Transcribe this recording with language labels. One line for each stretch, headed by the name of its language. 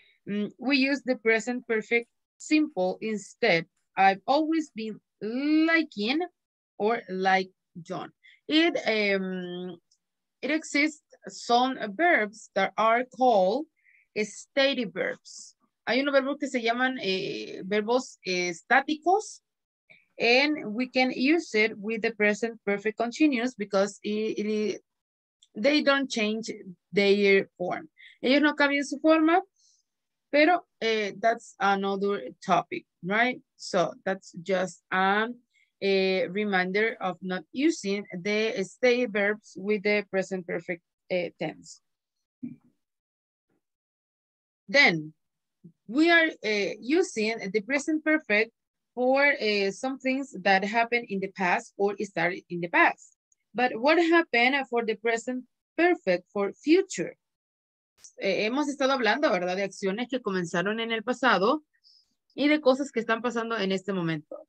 English: We use the present perfect simple instead. I've always been liking or like John. It exists some verbs that are called stated verbs.
Spanish: Hay unos verbos que se llaman verbos estáticos.
English: And we can use it with the present perfect continuous because they don't change their form.
Spanish: Ellos no cambian su forma, pero
English: that's another topic, right? So that's just a reminder of not using the stay verbs with the present perfect tense. Then we are using the present perfect for some things that happened in the past or started in the past. But what happened for the present perfect for future?
Spanish: Hemos estado hablando, ¿verdad? De acciones que comenzaron en el pasado y de cosas que están pasando en este momento.